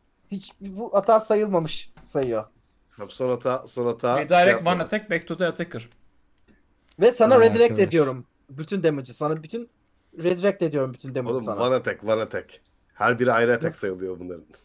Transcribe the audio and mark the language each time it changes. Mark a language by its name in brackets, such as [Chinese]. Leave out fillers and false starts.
[Turkish] Hiç bu hata sayılmamış sayıyor. Son hata. [English] Redirect one attack back to the attacker. [Turkish] Ve sana ha, redirect arkadaş. Ediyorum. Bütün damage'ı sana bütün redirect ediyorum bütün damage'ı oğlum, sana. Oğlum [English] one attack. [Turkish] Her biri ayrı attack sayılıyor bunların.